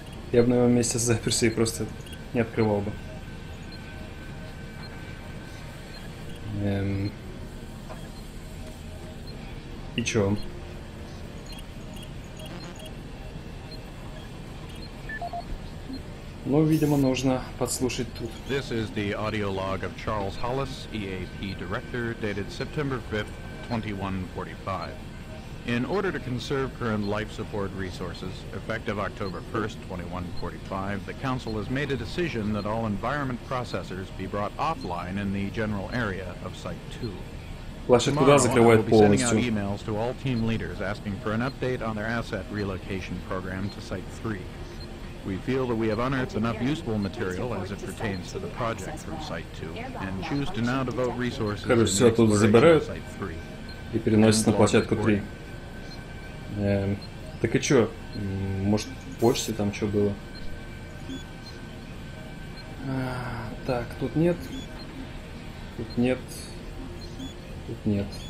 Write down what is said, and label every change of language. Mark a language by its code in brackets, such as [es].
[ru] Я бы на его месте заперся и просто не открывал бы. И чё? Ну, видимо, нужно подслушать тут. [en] This is the audio log of Charles Hollis, EAP director, dated September 5th, 2145. In order to conserve current life support resources, effective October 1st, 2145, the Council has made a decision that all environment processors be brought offline in the general area of Site 2. Tomorrow, I will be sending out emails to all team leaders asking for an update on their asset relocation program to Site 3. We feel that we have unearthed enough useful material as it pertains to the project from Site 2, and choose to now devote resources to exploration of Site 3. [ru] И переносится на площадку 3. Так и чё? Может, в почте там что было? Так, тут нет. Тут нет. Тут нет.